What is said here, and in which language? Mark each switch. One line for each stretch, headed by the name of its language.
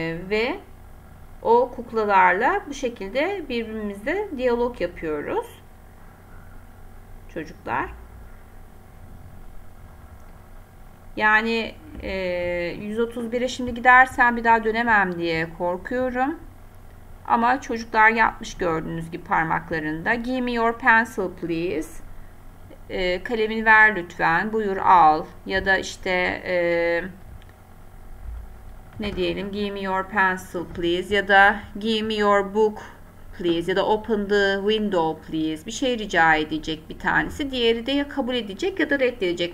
Turkish: Ve o kuklalarla bu şekilde birbirimizle diyalog yapıyoruz. Çocuklar. Yani 131'e şimdi gidersem bir daha dönemem diye korkuyorum. Ama çocuklar yapmış gördüğünüz gibi parmaklarında.
English: Give me your pencil please.
Turkish: Kalemini ver lütfen. Buyur al. Ya da işte ne diyelim?
English: Give me your pencil please.
Turkish: Ya da
English: give me your book please.
Turkish: Ya da
English: open the window please.
Turkish: Bir şey rica edecek bir tanesi. Diğeri de ya kabul edecek ya da reddedecek.